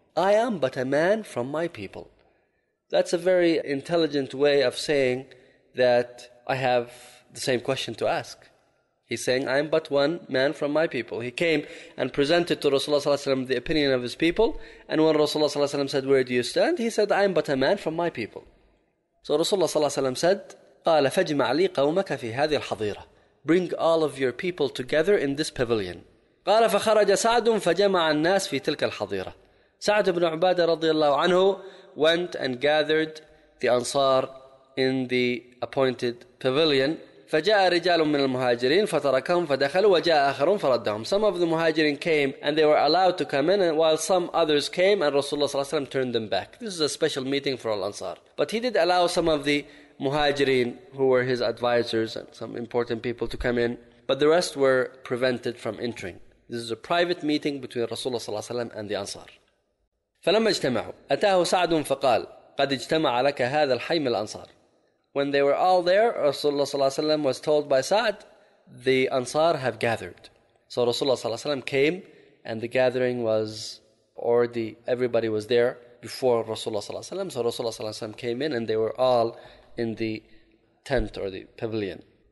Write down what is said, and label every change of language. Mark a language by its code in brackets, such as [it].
[en] I am but a man from my people. That's a very intelligent way of saying that I have the same question to ask. He's saying, I am but one man from my people. He came and presented to Rasulullah ﷺ the opinion of his people. And when Rasulullah ﷺ said, where do you stand? He said, I am but a man from my people. So Rasulullah ﷺ said, [ar] قال فجمع لي قومك في هذه الحظيرة. [en] Bring all of your people together in this pavilion. [ar] قال فخرج سعد فجمع الناس في تلك الحظيرة. [en] سعد بن عبادة رضي الله عنه went and gathered the Ansar in the appointed pavilion. [ar] فجاء رجال من المهاجرين فتركهم فدخلوا وجاء آخرون فردهم. [en] Some of the Muhajirin came and they were allowed to come in, while some others came and Rasulullah ﷺ turned them back. This is a special meeting for all Ansar. But he did allow some of the Muhajirin, who were his advisors and some important people, to come in, but the rest were prevented from entering. This is a private meeting between Rasulullah صلى الله عليه وسلم and the Ansar. [ar] فلما اجتمعوا أتاه سعد فقال قد اجتمع لك هذا الحي من الأنصار. [en] When they were all there, Rasulullah صلى الله عليه وسلم was told by Sa'd, the Ansar have gathered. So Rasulullah صلى الله عليه وسلم came, and the gathering was already, everybody was there before Rasulullah صلى الله عليه وسلم. So Rasulullah صلى الله عليه وسلم came in, and they were all in the tent or the pavilion.